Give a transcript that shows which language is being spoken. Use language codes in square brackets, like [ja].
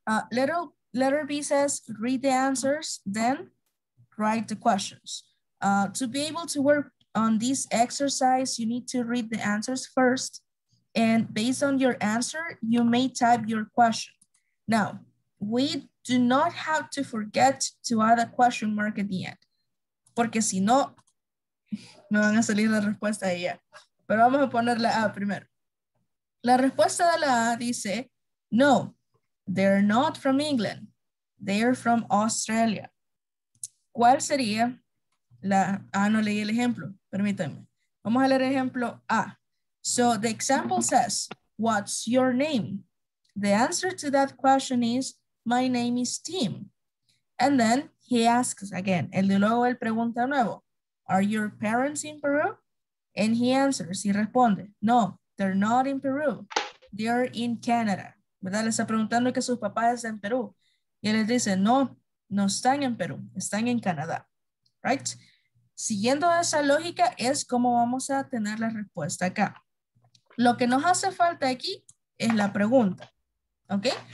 [en] Letter B says, read the answers, then write the questions. To be able to work on this exercise, you need to read the answers first. And based on your answer, you may type your question. Now, we do not have to forget to add a question mark at the end. [es] Porque si no, me van a salir la respuesta ahí ya. Pero vamos a poner la A primero. La respuesta de la A dice, no. [en] They're not from England. They're from Australia. [es] ¿Cuál sería la... Ah, no leí el ejemplo. Permítanme. Vamos a leer el ejemplo A. [en] So the example says, what's your name? The answer to that question is, my name is Tim. And then he asks again. [es] El de luego él pregunta nuevo. [en] Are your parents in Peru? And he answers, [es] y responde, [en] no, they're not in Peru. They're in Canada. [es] ¿Verdad? Le está preguntando que sus papás están en Perú. Y él les dice, no, no están en Perú, están en Canadá. [en] Right? [es] Siguiendo esa lógica es cómo vamos a tener la respuesta acá. Lo que nos hace falta aquí es la pregunta. ¿Ok?